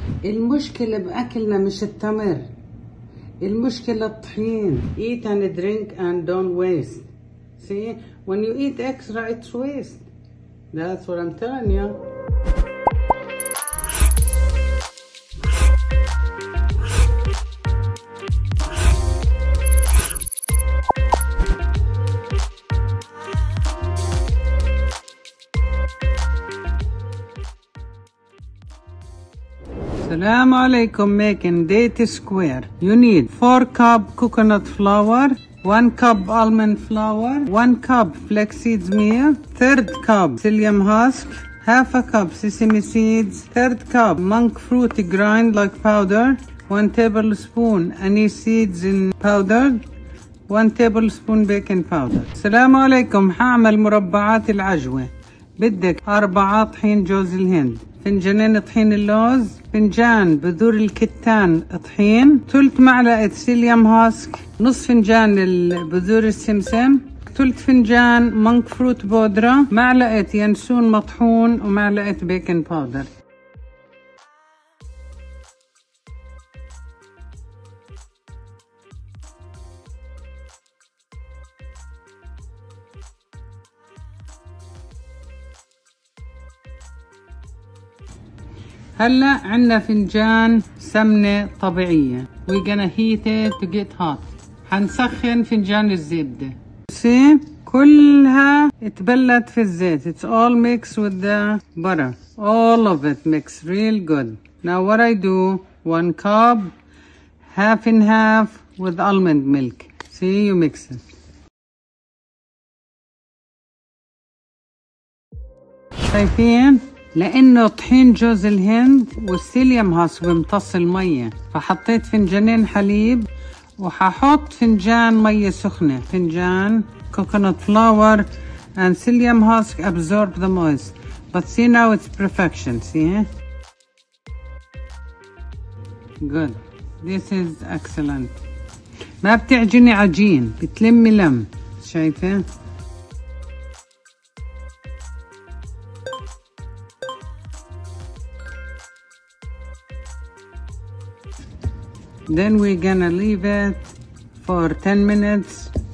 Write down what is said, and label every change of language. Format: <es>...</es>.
<ar>المشكلة بأكلنا مش التمر، المشكلة الطحين.</ar> <en>Eat and drink and don't waste. See, when you eat extra it's waste. That's what I'm telling you.</en> <ar>السلام عليكم.</ar> <en>Making date square. You need 4 cup coconut flour, 1 cup almond flour, 1 cup flaxseed meal, 3 cup psyllium husk, half a cup sesame seeds, 3 cup monk fruit grind like powder, 1 tablespoon anise seeds in powder, 1 tablespoon baking powder.</en> <ar>السلام عليكم. هعمل مربعات العجوة. بدك 4 طحين جوز الهند، فنجانين طحين اللوز، فنجان بذور الكتان طحين، ثلث معلقة سيليوم هاسك، نص فنجان بذور السمسم، ثلث فنجان مونك فروت بودرة، معلقة ينسون مطحون ومعلقة بيكنج باودر. هلا عنا فنجان سمنة طبيعية.</ar> <en>We gonna heat it to get hot.</en> <ar>حنسخن فنجان الزبدة.</ar> <en>See?</en> <ar>كلها اتبلت في الزيت.</ar> <en>It's all mixed with the butter. All of it mixed real good. Now what I do? 1 cup, half and half with almond milk. See, you mix it.</en> <ar>شايفين؟ لانه طحين جوز الهند والسيليوم هاس بمتص الميه، فحطيت فنجانين حليب وححط فنجان ميه سخنه، فنجان</ar> <en>Coconut flour and psyllium has absorb the moist. But see now it's perfection. See? Good. This is excellent.</en> <ar>ما بتعجني عجين، بتلم لم. شايفه؟</ar> <en>Then we're gonna leave it for 10 minutes.</en>